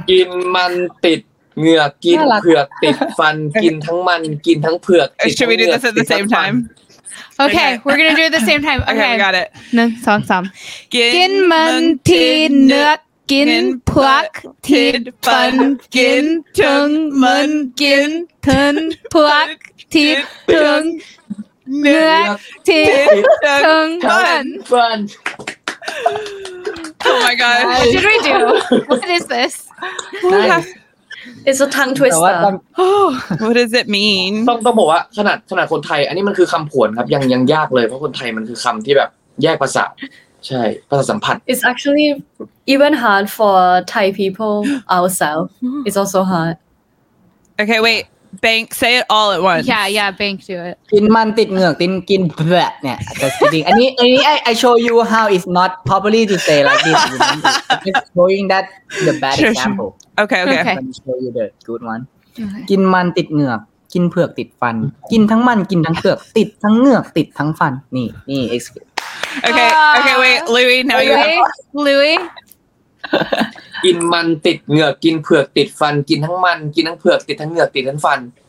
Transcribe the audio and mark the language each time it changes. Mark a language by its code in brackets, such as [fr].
[th] กินมันติดเหงือกกินเผือกติดฟันกินทั้งมันกินทั้งเผือก [en] Should we do this at the same time? Okay, we're gonna do it at the same time. Okay, got it. [th] 1 2 3 กินมันติดเหงือกกินเผือกติดฟันกินทั้งมันกินทั้งเผือกทิ้งทั้ง เนื้อทิพย์ทั้ง เพื่อน [en] Oh my god What did we do? What is this? It's a tongue twister What does it mean? [th] ต้องบอกว่าขนาดคนไทยอันนี้มันคือคำผวนครับยังยากเลยเพราะคนไทยมันคือคำที่แบบแยกภาษาใช่ภาษาสัมผัส [en] It's actually even hard for Thai people ourselves It's also hard Okay, wait Bank, say it all at once. Yeah, Bank, do it. [th] กินมันติดเหงือกกินแบบเนี่ยจะจริงอันนี้ [en] I show you how it's not properly to say like this. Just showing that the bad example. Okay. Let me show you the good one. [th] กินมันติดเหงือกกินเผือกติดฟันกินทั้งมันกินทั้งเผือกติดทั้งเหงือกติดทั้งฟันนี่ [en] Okay, wait, Louis, now you have Louis. [th] กินมันติดเหงือกกินเผือกติดฟันกินทั้งมันกินทั้งเผือกติดทั้งเหงือกติดทั้งฟัน